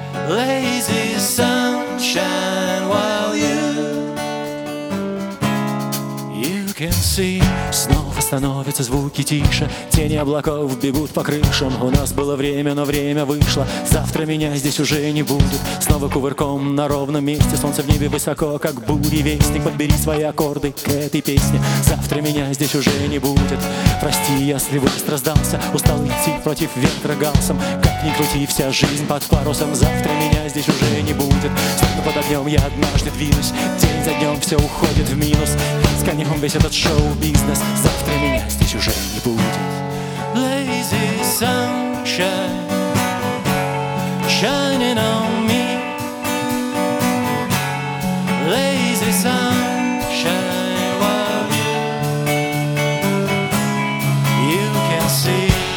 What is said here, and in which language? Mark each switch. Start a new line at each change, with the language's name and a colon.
English: Lazy sunshine, while you can see.
Russian: Снова становятся звуки тише, тени облаков бегут по крышам. У нас было время, но время вышло. Завтра меня здесь уже не будет. Снова кувырком на ровном месте. Солнце в небе высоко, как буревестник. Подбери свои аккорды к этой песне. Завтра меня здесь уже не будет. Прости, если быстро сдался. Устал идти против ветра галсом. Как ни крути, вся жизнь под парусом. Завтра меня здесь уже не будет. Словно под огнем я однажды двинусь. День за днем все уходит в минус. С конем весь этот шоу-бизнес. Завтра меня здесь уже не будет.
English: Lazy sunshine shining on me. Lazy sunshine, while you can see.